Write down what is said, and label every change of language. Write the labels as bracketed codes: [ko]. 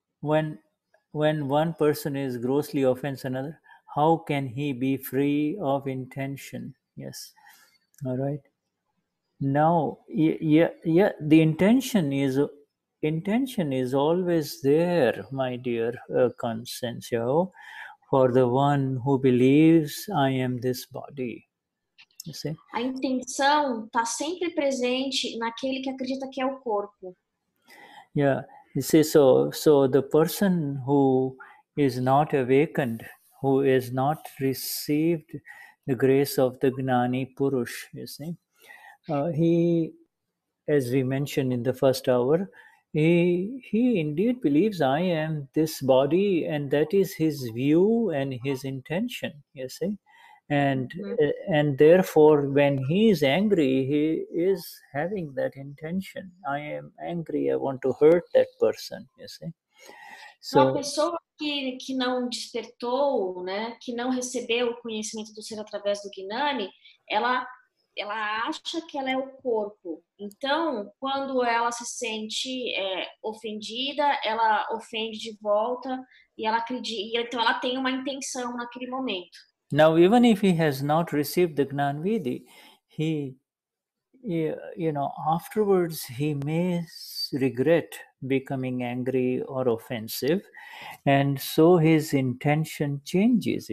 [en] When one person is grossly offends another, how can he be free of intention? Yes. All right. Now, the intention is always there, my dear Consensio, for the one who believes I am this body. You see? [pt] A intenção está sempre presente naquele que acredita que é o corpo. [en] Yeah, you see, so the person who is not awakened, who has not received the grace of the Gnani Purush, you see, he, as we mentioned in the first hour, he indeed believes I am this body, and that is his view and his intention, you see. And therefore, when he is angry, he is having that intention. I am angry. I want to hurt that person, you see. [pt] So, uma pessoa que não despertou, né, que não recebeu o conhecimento do ser através do Gnani, ela acha que ela é o corpo. Então, quando ela se sente ofendida, ela ofende de volta e ela acredita. Então, ela tem uma intenção naquele momento. [en] Now, even if he has not received the Gnanvidhi, he, you know, afterwards he may regret becoming angry or offensive, and so his intention changes.